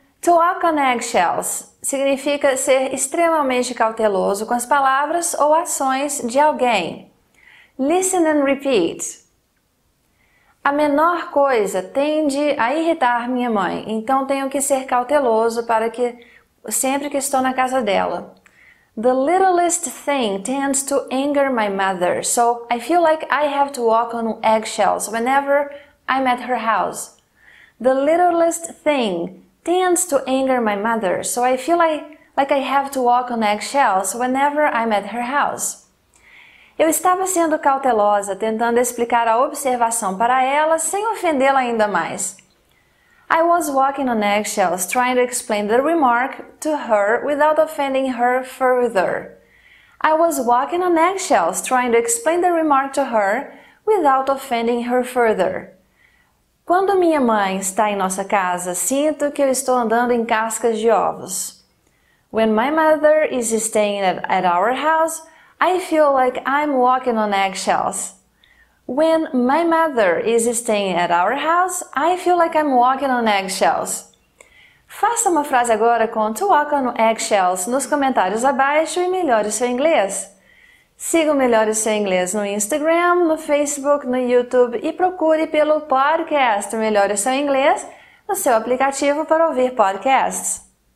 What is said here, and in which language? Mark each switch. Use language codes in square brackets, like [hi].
[en] To walk on eggshells [pt] significa ser extremamente cauteloso com as palavras ou ações de alguém. [en] Listen and repeat. [pt] A menor coisa tende a irritar minha mãe, então tenho que ser cauteloso para que sempre que estou na casa dela. [en] The littlest thing tends to anger my mother, so I feel like I have to walk on eggshells whenever I'm at her house. The littlest thing tends to anger my mother, so I feel like I have to walk on eggshells whenever I'm at her house. [pt] Eu estava sendo cautelosa, tentando explicar a observação para ela sem ofendê-la ainda mais. [en] I was walking on eggshells, trying to explain the remark to her without offending her further. I was walking on eggshells, trying to explain the remark to her without offending her further. [pt] Quando minha mãe está em nossa casa, sinto que eu estou andando em cascas de ovos. [en] When my mother is staying at our house, I feel like I'm walking on eggshells. When my mother is staying at our house, I feel like I'm walking on eggshells. [pt] Faça uma frase agora com to walk on eggshells nos comentários abaixo e melhore seu inglês. Siga o Melhore Seu Inglês no Instagram, no Facebook, no YouTube e procure pelo podcast Melhore Seu Inglês no seu aplicativo para ouvir podcasts.